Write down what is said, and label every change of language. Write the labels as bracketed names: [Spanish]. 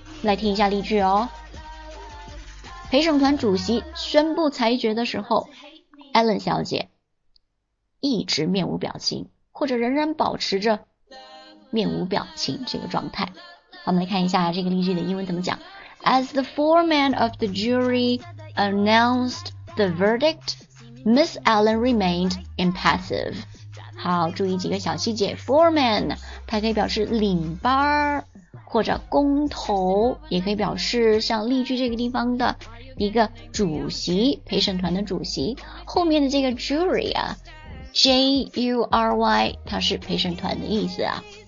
[Chinese] 来听一下例句哦。陪审团主席宣布裁决的时候， Ellen 小姐一直面无表情，或者仍然保持着面无表情这个状态。我们来看一下这个例句的英文怎么讲。 [English] As the foreman of the jury announced the verdict, Miss Allen remained impassive. [Chinese] 好，注意几个小细节。 Foreman 它可以表示领班或者工头，也可以表示像例句这个地方的一个主席，陪审团的主席。后面的这个 jury 啊， J-U-R-Y 它是陪审团的意思啊。